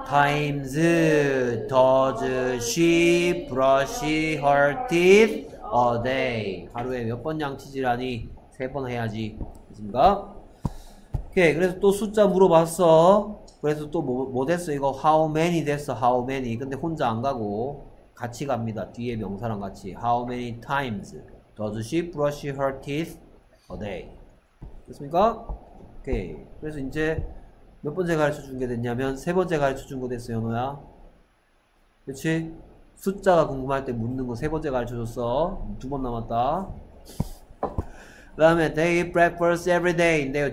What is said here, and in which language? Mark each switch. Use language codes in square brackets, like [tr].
[en] times does she brush her teeth a day? [ko] 하루에 몇 번 양치질하니? 세 번 해야지. 됐습니까? 오케이. 그래서 또 숫자 물어봤어. 그래서 또 뭐 됐어? 이거 how many 됐어. How many. 근데 혼자 안 가고 같이 갑니다. 뒤에 명사랑 같이. [en] How many times does she brush her teeth a day? [ko] 됐습니까? 오케이. 그래서 이제 몇 번째 가르쳐 준 게 됐냐면 세 번째 가르쳐 준 거 됐어, 연호야. 그렇지? 숫자가 궁금할 때 묻는 거 세 번째 가르쳐 줬어. 두 번 남았다. 그다음에 [en] they eat breakfast every day [ko] 인데요.